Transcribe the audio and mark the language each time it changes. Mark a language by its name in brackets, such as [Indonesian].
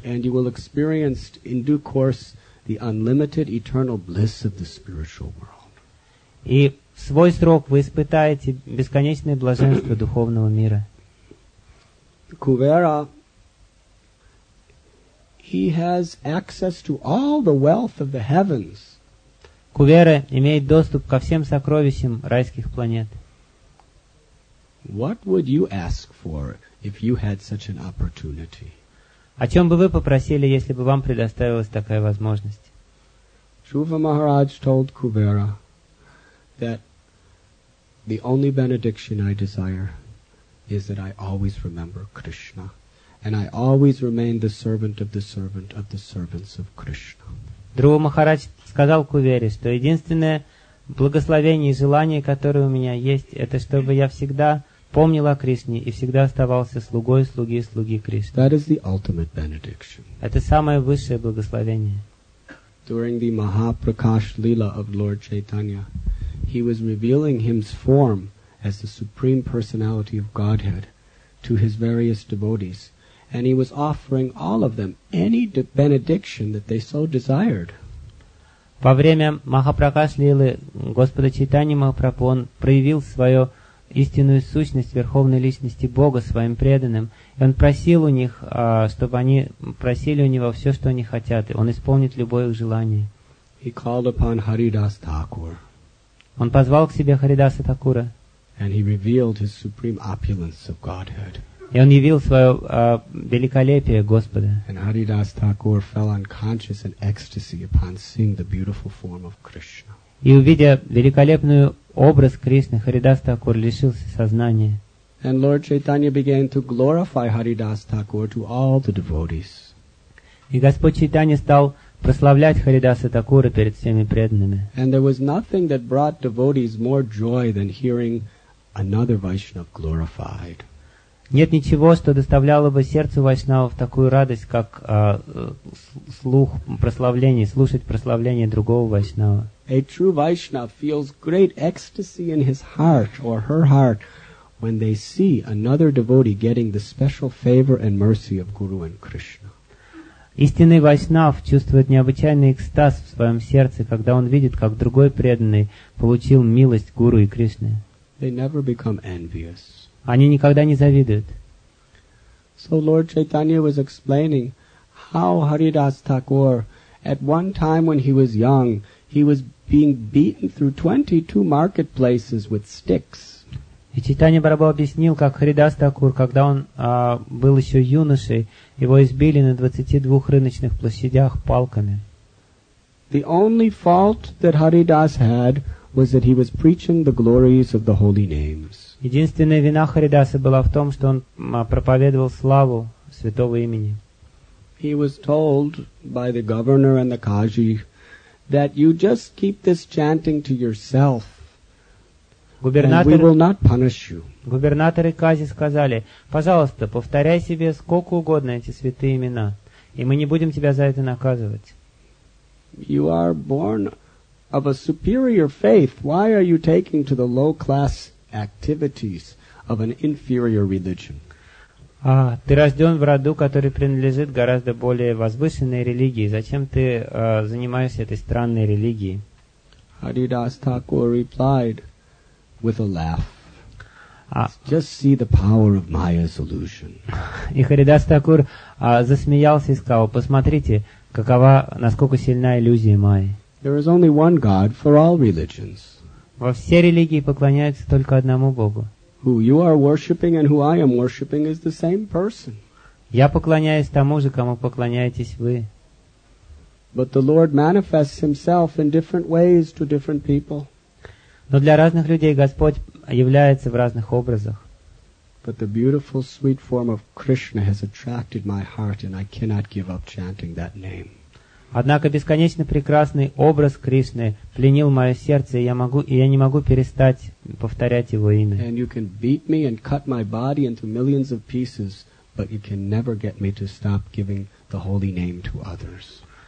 [English] And you will experience in due course the unlimited eternal bliss of the spiritual world. [Russian] И в свой срок вы испытаете бесконечное блаженство духовного мира. [English] Kuvera, he has access to all the wealth of the heavens. [Russian] Кувера имеет доступ ко всем сокровищам райских планет. [English] What would you ask for if you had such an opportunity? [Russian] О чем бы вы попросили, если бы вам предоставилась такая возможность? [English] Dhruva Maharaj told Kubera that the only benediction I desire is that I always remember Krishna, and I always remain the servant of the servant of the servants of Krishna. [Russian] Dhruva Maharaj сказал Кувере, что единственное благословение и желание, которое у меня есть, это чтобы я всегда помнил о Кришне и всегда оставался слугой слуги и слуги Кришны. [English] That is the ultimate benediction. [Russian] Это самое высшее благословение. [English] During the Mahaprakash Lila of Lord Chaitanya, he was revealing his form as the Supreme Personality of Godhead to his various devotees, and he was offering all of them any benediction that they so desired. [Russian] Во время Махапракаш Лилы Господа Чайтани Махапрабху он проявил свою истинную сущность Верховной Личности Бога своим преданным, и он просил у них, чтобы они просили у него все, что они хотят, и он исполнит любое их желание. [English] He called upon Haridas Thakur. [Russian] Он позвал к себе Харидаса Такура. [English] And he revealed his supreme opulence of Godhead. [Russian] И он явил свое великолепие Господа. [English] And Haridas Thakur fell unconscious in ecstasy upon seeing the beautiful form of Krishna. [Russian] И увидя великолепную образ Кришны, Харидас Такур лишился сознания. [English] And Lord Chaitanya began to glorify Haridas Thakur to all the devotees. [Russian] И Господь Чайтанья стал прославлять Харидаса Такура перед всеми преданными. [English] And there was nothing that brought devotees more joy than hearing another Vaishnava glorified. [Russian] Нет ничего, что доставляло бы сердцу вайшнавов такую радость, как слух прославления, слушать прославление другого вайшнава. [English] A true Vaishnava feels great ecstasy in his heart or her heart when they see another devotee getting the special favor and mercy of Guru and Krishna. [Russian] Истинный вайшнав чувствует необычайный экстаз в своем сердце, когда он видит, как другой преданный получил милость Гуру и Кришны. [English] They never become envious. [Russian] Они никогда не завидуют. [English] So Lord Chaitanya was explaining how Haridas Thakur, at one time when he was young, he was being beaten through 22 marketplaces with sticks. [Russian] И Чайтанья Прабху объяснил, как Харидас Такур, когда он был еще юношей, его избили на 22 рыночных площадях палками. [English] The only fault that Haridas had was that he was preaching the glories of the holy names. [Russian] Единственная вина Харидаса была в том, что он проповедовал славу святого имени. [English] He was told by the governor and the Kaji that you just keep this chanting to yourself. [Russian] Губернатор, [English] and we will not punish you. [Russian] Губернатор и Кази сказали, пожалуйста, повторяй себе сколько угодно эти святые имена, и мы не будем тебя за это наказывать. [English] You are born of a superior faith. Why are you taking to the low class activities of an inferior religion? [Russian] Ты рожден в роду, который принадлежит гораздо более возвышенной религии. Зачем ты занимаешься этой странной религией? [English] Haridas Thakur replied, with a laugh. Just see the power of Maya's illusion. [Russian] И Харидас Такур засмеялся и сказал, посмотрите, какова, насколько сильна иллюзия Майи. [English] There is only one God for all religions. [Russian] Во все религии поклоняются только одному Богу. [English] Who you are worshipping and who I am worshipping is the same person. [Russian] Я поклоняюсь тому же, кому поклоняетесь вы. [English] But the Lord manifests himself in different ways to different people. [Russian] Но для разных людей Господь является в разных образах. [English] But the beautiful, sweet form of Krishna has attracted my heart, and I cannot give up chanting that name. [Russian] Однако бесконечно прекрасный образ Кришны пленил мое сердце, и я не могу перестать повторять его имя. [English] And you can beat me and cut my body into millions of pieces, but you can never get me to stop giving the holy name to others.